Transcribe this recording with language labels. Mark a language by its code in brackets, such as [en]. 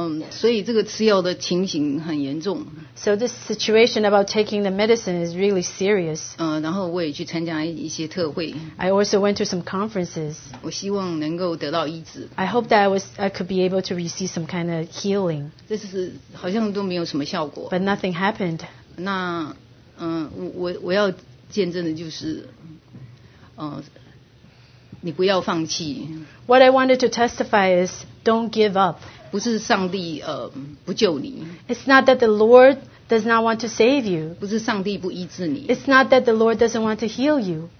[zh] 所以这个吃药的情形很严重。 [en] So this situation about taking the medicine is really serious. [zh] 然后我也去参加一些特会。 [en] I also went to some conferences. [zh] 我希望能够得到医治。 [en] I hope that I could be able to receive some kind of healing. [zh] 这是好像都没有什么效果。 [en] But nothing happened. [zh] 那我要 见证的就是，你不要放弃。 [en] What I wanted to testify is, don't give up. [zh] 不是上帝不救你。 [en] It's not that the Lord does not want to save you. [zh] 不是上帝不医治你。 [en] It's not that the Lord doesn't want to heal you.